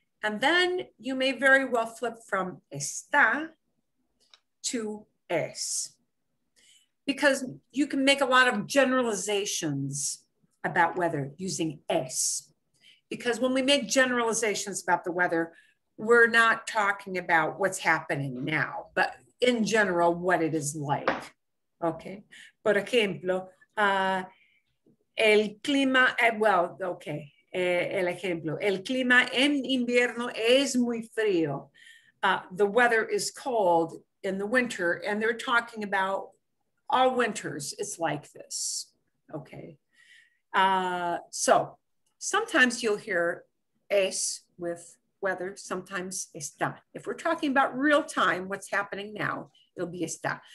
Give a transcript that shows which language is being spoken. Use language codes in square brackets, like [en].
[en] And then you may very well flip from está to es, because you can make a lot of generalizations about weather using es. Because when we make generalizations about the weather, we're not talking about what's happening now, but in general, what it is like. Okay. [es] Por ejemplo, el clima, el ejemplo, el clima en invierno es muy frío. [en] The weather is cold in the winter, and they're talking about all winters, it's like this, okay? So sometimes you'll hear es with weather, sometimes está. If we're talking about real time, what's happening now, it'll be está.